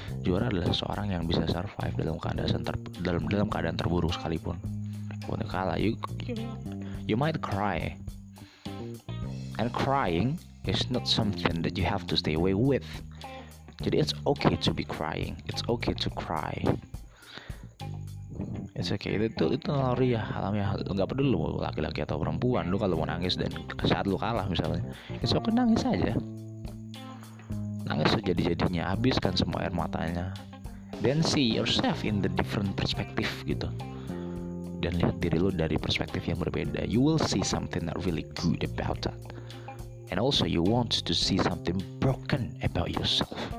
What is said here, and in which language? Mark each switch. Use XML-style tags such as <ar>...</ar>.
<id>Juara adalah seorang yang bisa survive dalam keadaan terburuk sekalipun. Pun kalah,</id> <en>you might cry. And crying is not something that you have to stay away with. Jadi it's okay to be crying. It's okay to cry. It's okay.</en> <id>Itu naluri ya, alamnya. Enggak peduli lu laki-laki atau perempuan. Lu kalau mau nangis dan saat lu kalah misalnya,</id> <en>it's okay,</en> <id>nangis aja. Nangis sejadi-jadinya, habiskan semua air matanya.</id> <en>Then see yourself in the different perspective</en> <id>gitu. Dan lihat diri lu dari perspektif yang berbeda.</id> <en>You will see something not really good about that. And also you want to see something broken about yourself.</en>